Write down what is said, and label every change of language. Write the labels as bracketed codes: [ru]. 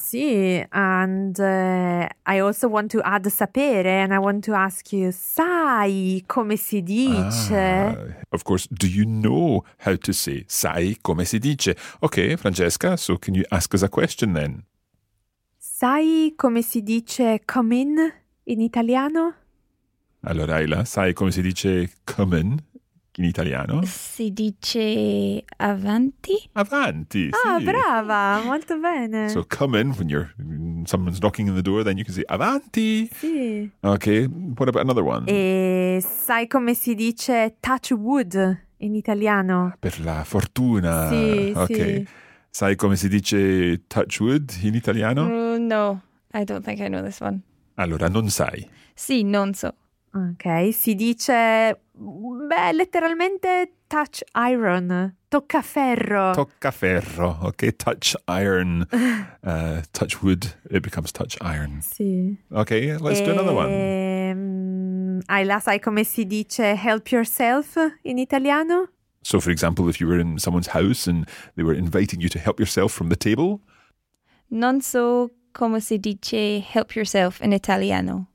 [en] Sì, and I also want to add sapere, and I want to ask you, [it] sai come si dice? [en] Of course, do you know how to say [it] sai come si dice? [en] Okay, Francesca, so can you ask us a question then? [it] Sai come si dice [en] come in [it] italiano? Allora, Ayla, sai come si dice [en] come in? [it] In italiano? Si dice avanti. Avanti, sì. Ah, brava, molto bene. [en] So come in, when you're someone's knocking on the door, then you can say avanti. [it] Sì. [en] Okay, what about another one? [it] E sai come si dice [en] touch wood [it] in italiano? Per la fortuna. Sì, [en] okay. [it] Sì. Sai come si dice [en] touch wood [it] in italiano? [en] No, I don't think I know this one. [it] Allora, non sai. Sì, non so. Ok, si dice, beh, letteralmente [en] touch iron, [it] toccaferro. [en] Toccaferro, ok, touch iron, touch wood, it becomes touch iron. [it] Sì. [en] Ok, let's do another one. [it] Ayla, sai come si dice [en] help yourself [it] in italiano? [en] So, for example, if you were in someone's house and they were inviting you to help yourself from the table? [it] Non so come si dice [en] help yourself [it] in italiano.